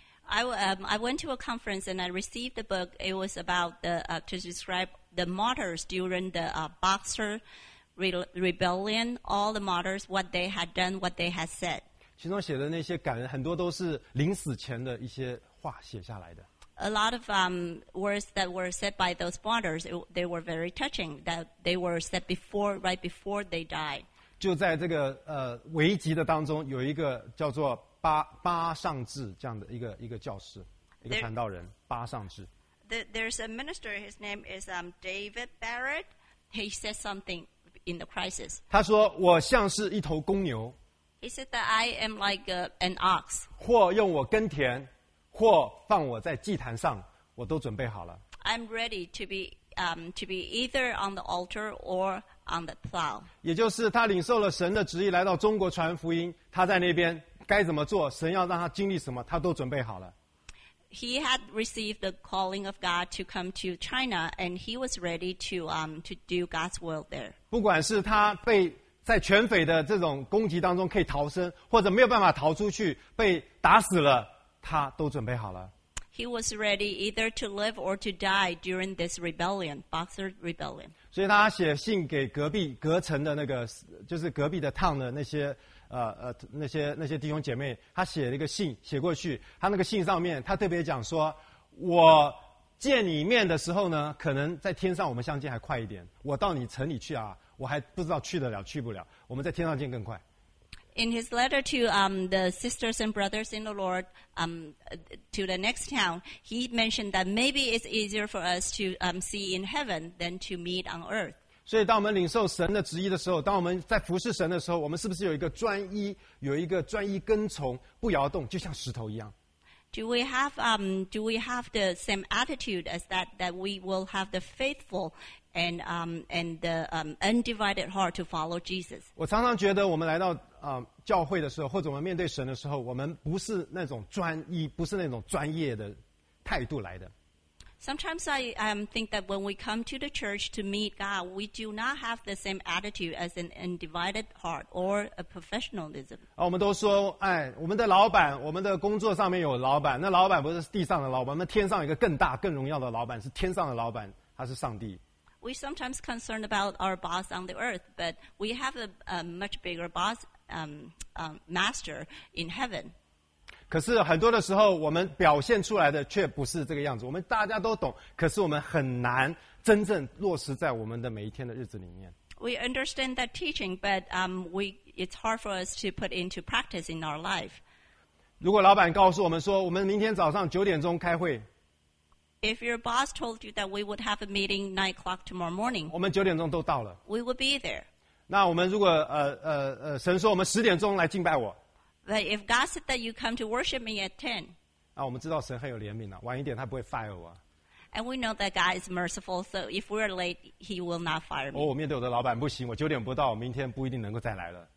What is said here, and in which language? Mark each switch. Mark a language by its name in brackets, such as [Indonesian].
[English] I went to a conference and I received the book. It was about to describe the martyrs during the Boxer Rebellion, all the martyrs, what they had done, what they had said. [Chinese] 其中写的那些感人，很多都是临死前的一些话写下来的。 [English] A lot of words that were said by those martyrs, they were very touching, that they were said before, right before they died. [Chinese] 就在这个危急的当中，有一个叫做 巴上智这样的一个教士，一个传道人巴上智。 [English] There's a minister. His name is David Barrett. He said something in the crisis. [Chinese] 他说：“我像是一头公牛。” [English] He said that I am like an ox. [Chinese] 或用我耕田，或放我在祭坛上，我都准备好了。 [English] I'm ready to be either on the altar or on the plow. [Chinese] 也就是他领受了神的旨意，来到中国传福音。他在那边。该怎么做，神要让他经历什么，他都准备好了。 [English] He had received the calling of God to come to China, and he was ready to do God's will there. [Chinese] 不管是他被在全匪的这种攻击当中可以逃生，或者没有办法逃出去被打死了，他都准备好了。 [English] He was ready either to live or to die during this rebellion, Boxer Rebellion. [Chinese] 所以他写信给隔壁隔城的那个，就是隔壁的 town 的那些那些弟兄姐妹，他写了一个信写过去。他那个信上面，他特别讲说，我见你面的时候呢，可能在天上我们相见还快一点。我到你城里去啊，我还不知道去得了去不了，我们在天上见更快。 [English] In his letter to the sisters and brothers in the Lord, to the next town, he mentioned that maybe it's easier for us to see in heaven than to meet on earth. [Chinese] 所以，当我们领受神的旨意的时候，当我们在服侍神的时候，我们是不是有一个专一，有一个专一跟从，不摇动，就像石头一样？ [English] Do we have the same attitude as that we will have the faithful and the undivided heart to follow Jesus? [Chinese] 我常常觉得我们来到教会的时候，或者我们面对神的时候，我们不是那种专一，不是那种专业的态度来的。 [English] Sometimes I think that when we come to the church to meet God, we do not have the same attitude as an undivided heart or a professionalism. [Chinese] 我们都说，哎，我们的老板，我们的工作上面有老板，那老板不是地上的老板，那天上一个更大、更荣耀的老板是天上的老板，他是上帝。 [English] We sometimes concern about our boss on the earth, but we have a much bigger boss, master in heaven. [Chinese] 可是很多的时候，我们表现出来的却不是这个样子。我们大家都懂，可是我们很难真正落实在我们的每一天的日子里面。 [English] We understand that teaching, but it's hard for us to put into practice in our life. [Chinese] 如果老板告诉我们说，我们明天早上9点开会。 [English] If your boss told you that we would have a meeting 9 o'clock tomorrow morning, [Chinese] 我们九点钟都到了。 [English] We would be there. [Chinese] 那我们如果神说我们10点来敬拜我。 [English] But if God said that you come to worship me at 10, [Chinese] 那我们知道神很有怜悯了，晚一点他不会 fire 我。 [English] And we know that God is merciful, so if we are late, He will not fire me. [Chinese] 我面对我的老板不行，我9点不到，明天不一定能够再来了。